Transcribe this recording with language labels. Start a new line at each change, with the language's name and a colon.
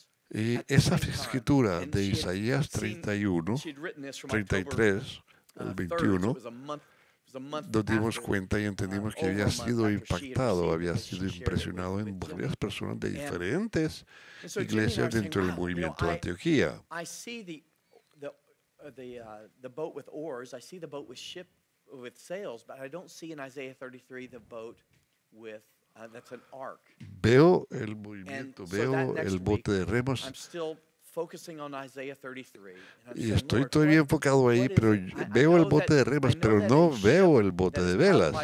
Spanish: Y esa escritura de Isaías 33, el 21, nos dimos cuenta y entendimos que había sido impactado, había sido impresionado en varias personas de diferentes iglesias dentro del movimiento de Antioquía.
English: I see the boat with oars, I see the boat with ship with sails, but I don't see in Isaiah 33 the boat with that's an ark.
Spanish: Veo el movimiento, veo el bote de remos.
English: Focusing on Isaiah 33.
Spanish: Y estoy todavía enfocado ahí, pero veo el bote de remas, pero no veo el bote de velas.